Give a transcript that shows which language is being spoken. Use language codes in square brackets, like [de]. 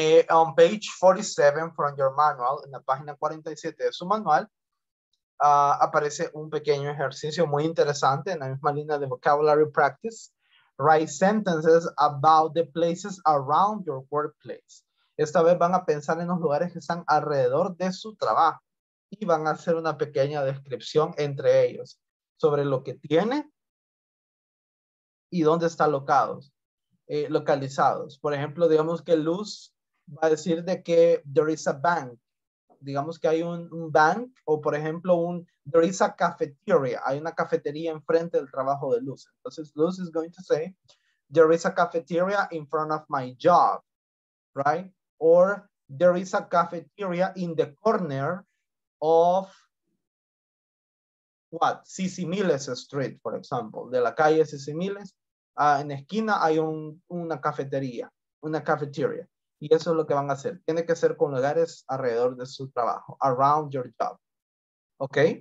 [en] On page 47 from your manual, [es] en la página 47 de su manual, aparece un pequeño ejercicio muy interesante en la misma línea de vocabulary practice. [en] Write sentences about the places around your workplace. [es] Esta vez van a pensar en los lugares que están alrededor de su trabajo y van a hacer una pequeña descripción entre ellos sobre lo que tiene y dónde están localizados. Por ejemplo, digamos que Luz va a decir de que [en] there is a bank. [es] Digamos que hay un bank, o por ejemplo, [en] there is a cafeteria. [es] Hay una cafetería enfrente del trabajo de Luz. [en] Entonces, Luz is going to say, there is a cafeteria in front of my job, right? Or there is a cafeteria in the corner of what? Sisimiles Street, for example. [es] De la calle Sisimiles, en esquina hay una cafetería. Y eso es lo que van a hacer. Tiene que ser con lugares alrededor de su trabajo. [en] Around your job. ¿Ok?